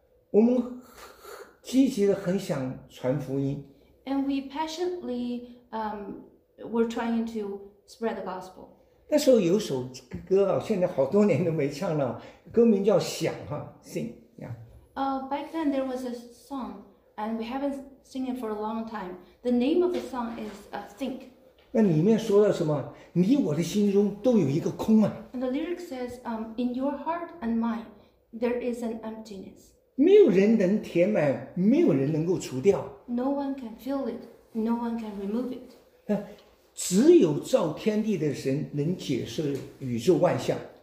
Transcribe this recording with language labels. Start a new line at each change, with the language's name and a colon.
Chinese: 我们积极的很想传福音。
English: And we passionately. We're trying to spread the gospel.
Chinese: 那时候有首歌啊，现在好多年都没唱了，歌名叫《想》哈 ，Sing 呀。
English: Back then there was a song, and we haven't sing it for a long time. The name of the song is Think.
Chinese: 那里面说了什么？你我的心中都有一个空啊。
English: And the lyric says, In your heart and mine, there is an emptiness.
Chinese: 没有人能填满，没有人能够除掉。
English: No one can fill it. No one can remove it.
Chinese: 只有造天地的神能解释宇宙万象。